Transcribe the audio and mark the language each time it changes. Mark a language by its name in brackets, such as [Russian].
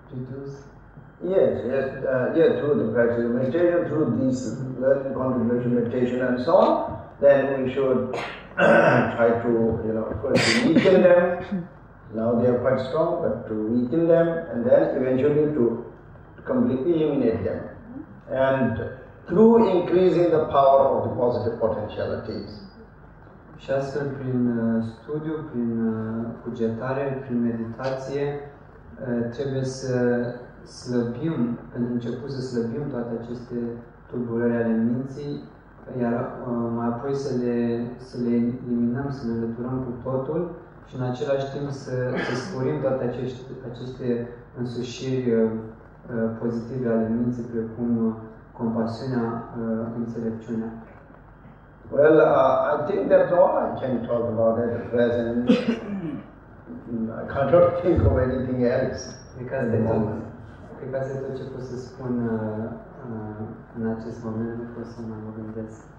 [English] Through the practice of meditation, through these learning, contemplation, meditation, and so on, then we should try to, you know, first weaken them. Now they are quite strong, but to weaken them, and then eventually to completely eliminate them. And through increasing the power of the positive potentialities. [Romanian] Și astfel, prin studiu, prin cugetare, prin meditație, trebuie să slăbim, pentru început să slăbim toate aceste tulburări ale minții, iar mai apoi să le eliminăm, să le înlăturăm cu totul și în același timp să sporim toate aceste însușiri pozitive ale minții, precum compasiunea, înțelepciunea. [English] Well, I think that's all I can talk about at present. I cannot think of anything else. Because the moment. Because that's what I was supposed to say in this moment.